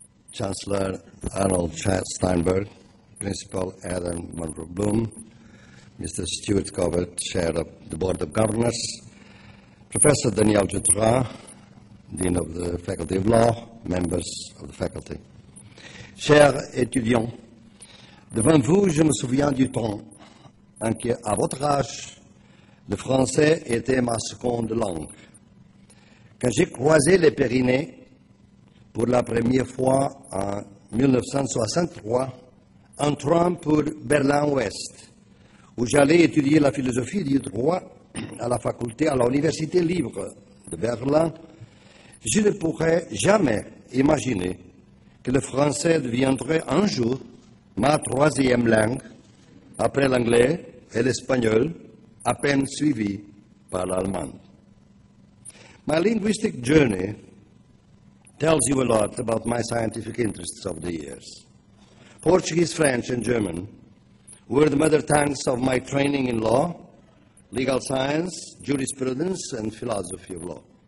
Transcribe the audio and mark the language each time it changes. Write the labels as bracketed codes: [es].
[en] Chancellor Arnold Steinberg, Principal Adam Monroe Bloom, Mr. Stuart Covert, Chair of the Board of Governors, Professor Daniel Dutrois, Dean of the Faculty of Law, members of the faculty. [fr] Chers étudiants, devant vous, je me souviens du temps en que, à votre âge, le français était ma seconde langue. Quand j'ai croisé les Pyrénées pour la première fois en 1963, entrant pour Berlin-Ouest, où j'allais étudier la philosophie du droit, à la faculté, à l'Université libre de Berlin, je ne pourrais jamais imaginer que le français deviendrait un jour ma troisième langue, après l'anglais et l'espagnol, à peine suivi par l'allemand. [en] My linguistic journey tells you a lot about my scientific interests of the years. Portuguese, French, and German were the mother tongues of my training in law, legal science, jurisprudence, and philosophy of law.